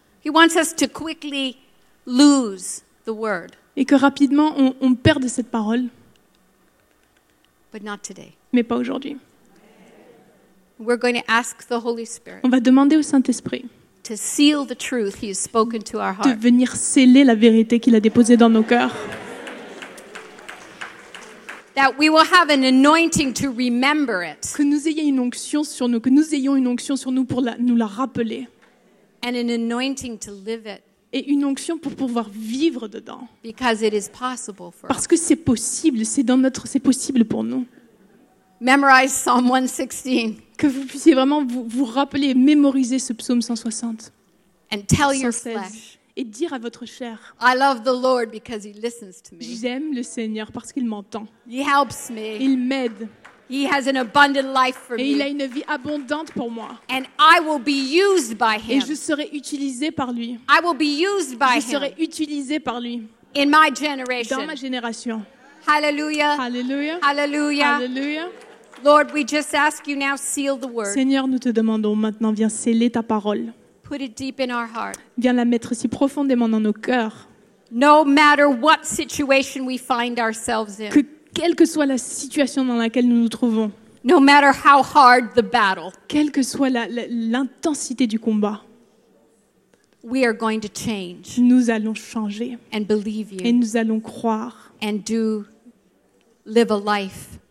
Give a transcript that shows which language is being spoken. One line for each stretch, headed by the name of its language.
English: He wants us to quickly lose the word.
French: Et que rapidement on perde cette parole.
English: But not today.
French: Mais pas aujourd'hui.
English: We're going to ask the Holy Spirit.
French: On va demander au Saint-Esprit
English: to seal the truth he has spoken to our heart.
French: De venir sceller la vérité qu'il a déposée dans nos cœurs.
English: That we will have an anointing to remember it.
French: Que nous ayons une onction sur nous, que nous ayons une onction sur nous pour nous la rappeler.
English: And an anointing to live it.
French: Et une onction pour pouvoir vivre dedans.
English: Because it is possible for us.
French: Parce que c'est possible, c'est possible pour nous.
English: Memorize Psalm 116.
French: Que vous puissiez vraiment vous rappeler, mémoriser ce psaume 160.
English: And tell your flesh.
French: Et dire à votre chair,
English: I love the Lord because he listens to me.
French: J'aime le Seigneur parce qu'il m'entend.
English: He helps me.
French: Il m'aide.
English: He has an abundant life for
French: et
English: me.
French: Il a une vie abondante pour moi.
English: And I will be used by him.
French: Et je serai utilisée par lui.
English: I will be used by
French: je serai utilisée par lui.
English: In my generation.
French: Dans ma génération. Hallelujah. Hallelujah. Hallelujah. Hallelujah.
English: Lord, we just ask you now, seal the word.
French: Seigneur, nous te demandons maintenant, viens sceller ta parole.
English: Put it deep in our heart.
French: Viens la mettre si profondément dans nos cœurs.
English: No matter what situation we find ourselves in.
French: Que quelle que soit la situation dans laquelle nous nous trouvons.
English: No matter how hard the battle.
French: Quelle que soit l'intensité du combat.
English: We are going to change.
French: Nous allons changer.
English: And believe you.
French: Et nous allons croire.
English: And do live a life.